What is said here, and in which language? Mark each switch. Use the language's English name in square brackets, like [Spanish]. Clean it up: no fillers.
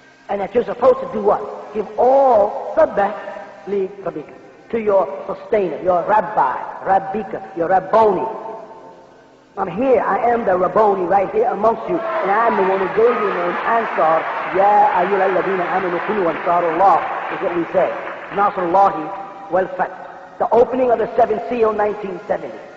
[English] And that you're supposed to do what? Give all [Arabic] سَبَّحْ لِرَبِّكَ [English] to your sustainer, your rabbi, rabbika, your rabboni. I'm here, I am the rabboni right here amongst you. And I'm the one who gave you the name Ansar. [Arabic] يَا أَيُّهَا الَّذِينَ آمَنُوا كُلُّ أَنْصَارُ اللَّهِ [English] is what we say. Nasrullahi wal fath. The opening of the seventh seal, 1970.